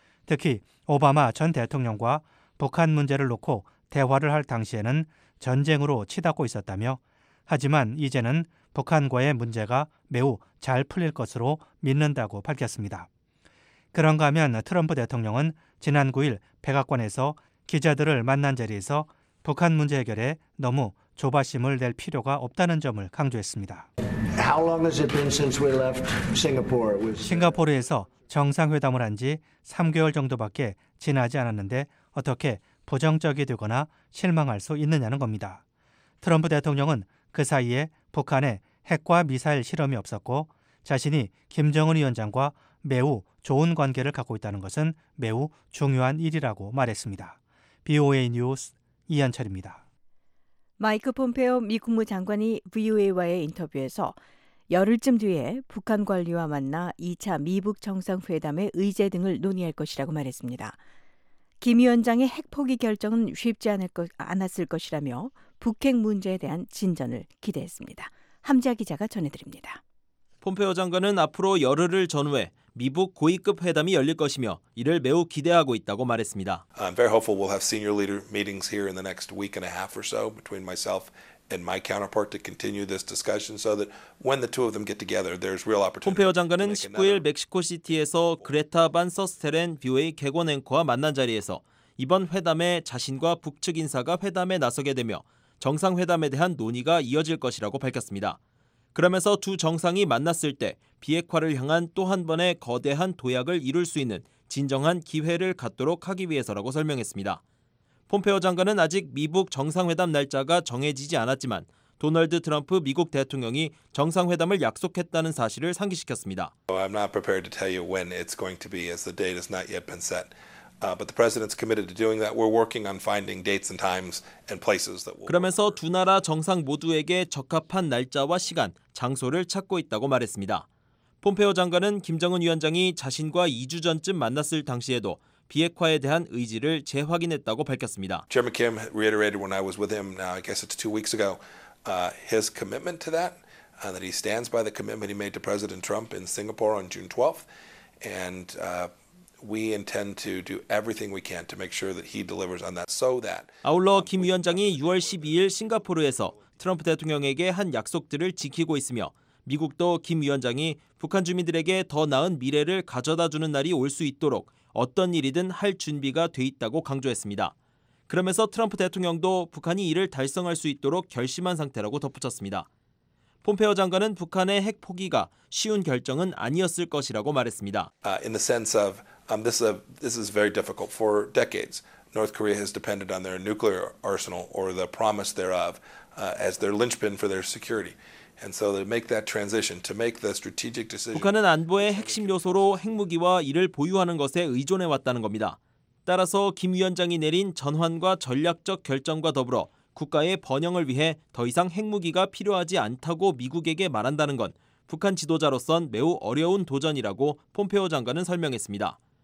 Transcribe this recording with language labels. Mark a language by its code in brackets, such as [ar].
[ko] 특히 오바마 전 대통령과 북한 문제를 놓고 대화를 할 당시에는 전쟁으로 치닫고 있었다며 하지만 이제는 북한과의 문제가 매우 잘 풀릴 것으로 믿는다고 밝혔습니다. 그런가 하면 트럼프 대통령은 지난 9일 백악관에서 기자들을 만난 자리에서 북한 문제 해결에 너무 조바심을 낼 필요가 없다는 점을 강조했습니다. [en] How long has it been since we left Singapore? [ko] 싱가포르에서 정상회담을 한 지 3개월 정도밖에 지나지 않았는데 어떻게 부정적이 되거나 실망할 수 있느냐는 겁니다. 트럼프 대통령은 그 사이에 북한에 핵과 미사일 실험이 없었고 자신이 김정은 위원장과 매우 좋은 관계를 갖고 있다는 것은 매우 중요한 일이라고 말했습니다. BOA 뉴스 이한철입니다. 마이크 폼페오 미 국무장관이 VOA와의 인터뷰에서 열흘쯤 뒤에 북한 관리와 만나 2차 미북 정상회담의 의제 등을 논의할 것이라고 말했습니다. 김 위원장의 핵포기 결정은 쉽지 않았을 것이라며 북핵 문제에 대한 진전을 기대했습니다. 함지아 기자가 전해드립니다. 폼페오 장관은 앞으로 열흘을 전후에 미북 고위급 회담이 열릴 것이며 이를 매우 기대하고 있다고 말했습니다. [en] I'm very hopeful we'll have senior leader meetings here in the next week and a half or so between myself and my counterpart to continue this discussion so that when the two of them get together there's real opportunity. [ko] 폼페오 장관은 19일 멕시코 시티에서 그레타 반 서스테렌 뷰의 객원 앵커와 만난 자리에서 이번 회담에 자신과 북측 인사가 회담에 나서게 되며 정상회담에 대한 논의가 이어질 것이라고 밝혔습니다. 그러면서 두 정상이 만났을 때 비핵화를 향한 또 한 번의 거대한 도약을 이룰 수 있는 진정한 기회를 갖도록 하기 위해서라고 설명했습니다. 폼페오 장관은 아직 미북 정상회담 날짜가 정해지지 않았지만 도널드 트럼프 미국 대통령이 정상회담을 약속했다는 사실을 상기시켰습니다. [en] I'm not prepared to tell you when it's going to be as the date has not yet been set. But the president's committed to doing that. We're working on finding dates and times and places that will. [ko] 그러면서 두 나라 정상 모두에게 적합한 날짜와 시간, 장소를 찾고 있다고 말했습니다. 폼페오 장관은 김정은 위원장이 자신과 2주 전쯤 만났을 당시에도 비핵화에 대한 의지를 재확인했다고 밝혔습니다. [en] Chairman Kim reiterated when I was with him, I guess it's 2 weeks ago, his commitment to that, and that he stands by the commitment he made to President Trump in Singapore on June 12th, and we intend to do everything we can to make sure that he delivers on that, so that. [ko] 아울러 김 위원장이 6월 12일 싱가포르에서 트럼프 대통령에게 한 약속들을 지키고 있으며. 미국도 김 위원장이 북한 주민들에게 더 나은 미래를 가져다주는 날이 올 수 있도록 어떤 일이든 할 준비가 돼 있다고 강조했습니다. 그러면서 트럼프 대통령도 북한이 이를 달성할 수 있도록 결심한 상태라고 덧붙였습니다. 폼페오 장관은 북한의 핵 포기가 쉬운 결정은 아니었을 것이라고 말했습니다. [en] In the sense of this is very difficult for decades. North Korea has depended on their nuclear arsenal or the promise thereof as their linchpin for their security. And so to make that transition, to make the strategic decision. [ko] 북한은 안보의 핵심 요소로 핵무기와 이를 보유하는 것에 의존해 왔다는 겁니다. 따라서 김 위원장이 내린 전환과 전략적 결정과 더불어 국가의 번영을 위해 더 이상 핵무기가 필요하지 않다고 미국에게 말한다는 건 북한 지도자로선 매우 어려운 도전이라고 폼페오 장관은 설명했습니다.